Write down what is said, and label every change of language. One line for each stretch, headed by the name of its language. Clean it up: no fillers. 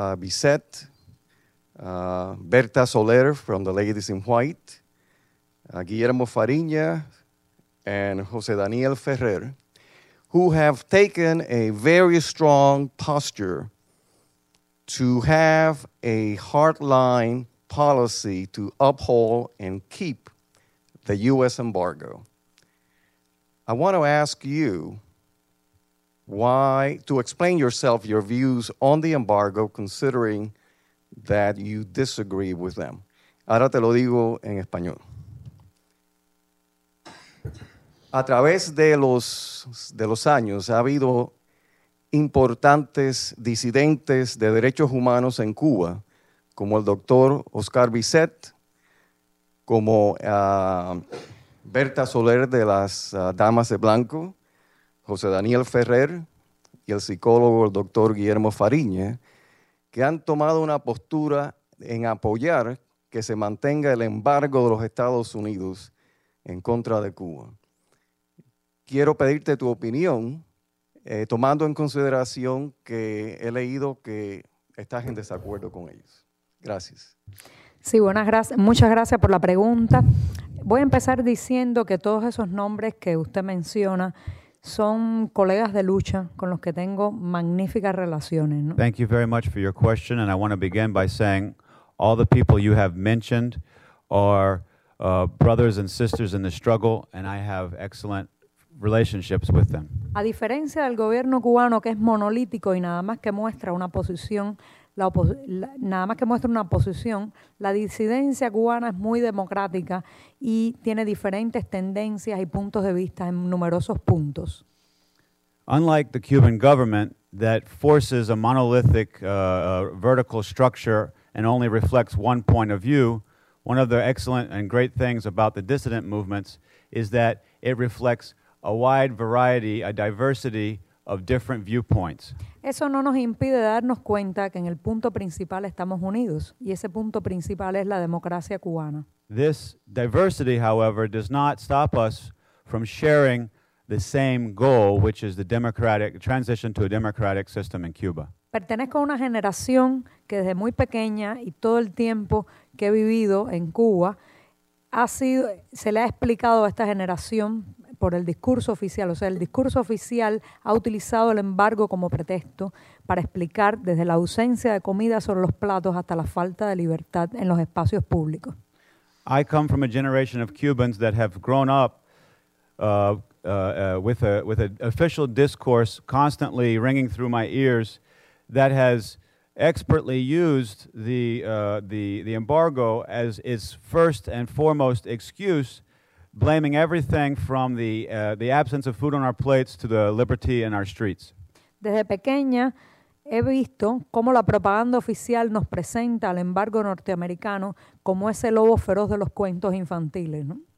English: Bisset, Berta Soler from the Ladies in White, Guillermo Fariña, and José Daniel Ferrer, who have taken a very strong posture to have a hardline policy to uphold and keep the U.S. embargo. I want to ask you why, to explain yourself, your views on the embargo, considering that you disagree with them.
Spanish: Ahora te lo digo en español. A través de los años ha habido importantes disidentes de derechos humanos en Cuba, como el doctor Oscar Bisset, como Berta Soler de las Damas de Blanco, José Daniel Ferrer y el psicólogo el doctor Guillermo Fariña, que han tomado una postura en apoyar que se mantenga el embargo de los Estados Unidos en contra de Cuba. Quiero pedirte tu opinión, tomando en consideración que he leído que estás en desacuerdo con ellos. Gracias. Sí, buenas gracias. Muchas gracias por la pregunta. Voy a empezar diciendo que todos esos nombres que usted menciona son colegas de lucha con los que tengo magníficas relaciones, ¿no?
English: Thank you very much for your question, and I want to begin by saying all the people you have mentioned are brothers and sisters in the struggle, and I have excellent relationships with them.
Spanish: A diferencia del gobierno cubano, que es monolítico y nada más que muestra una posición, la disidencia cubana es muy democrática y tiene diferentes tendencias y puntos de vista en numerosos puntos.
English: Unlike the Cuban government that forces a monolithic vertical structure and only reflects one point of view, one of the excellent and great things about the dissident movements is that it reflects a wide variety, a diversity of different viewpoints.
Spanish: Eso no nos impide darnos cuenta que en el punto principal estamos unidos, y ese punto principal es la democracia cubana.
English: This diversity, however, does not stop us from sharing the same goal, which is the democratic transition to a democratic system in Cuba.
Spanish: Pertenezco a una generación que desde muy pequeña y todo el tiempo que he vivido en Cuba se le ha explicado a esta generación por el discurso oficial, o sea, el discurso oficial ha utilizado el embargo como pretexto para explicar desde la ausencia de comida sobre los platos hasta la falta de libertad en los espacios públicos.
English: I come from a generation of Cubans that have grown up with an official discourse constantly ringing through my ears that has expertly used the embargo as its first and foremost excuse, blaming everything from the absence of food on our plates to the liberty in our streets.
Spanish: Desde pequeña he visto cómo la propaganda oficial nos presenta al embargo norteamericano como ese lobo feroz de los cuentos infantiles, ¿no?